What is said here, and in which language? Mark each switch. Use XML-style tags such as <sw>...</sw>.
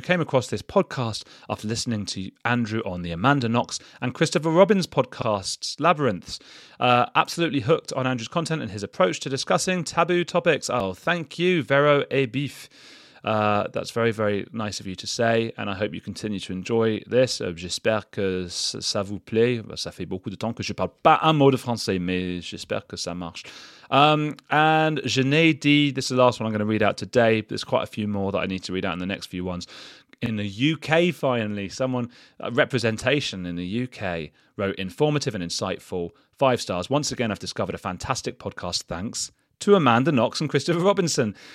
<en>Came across this podcast after listening to Andrew on the Amanda Knox and Christopher Robbins podcasts, Labyrinths. Absolutely hooked on Andrew's content and his approach to discussing taboo topics. Oh, thank you, Vero A. Beef. That's very, very nice of you to say. And I hope you continue to enjoy this.</en> <fr>J'espère que ça vous plaît. Ça fait beaucoup de temps que je parle pas un mot de français, mais j'espère que ça marche.</fr> <en>And Jeanette D, this is the last one I'm going to read out today. There's quite a few more that I need to read out in the next few ones. In the UK, finally, someone, representation in the UK, wrote, informative and insightful, 5 stars. Once again, I've discovered a fantastic podcast. Thanks to Amanda Knox and Christopher Robinson.</en>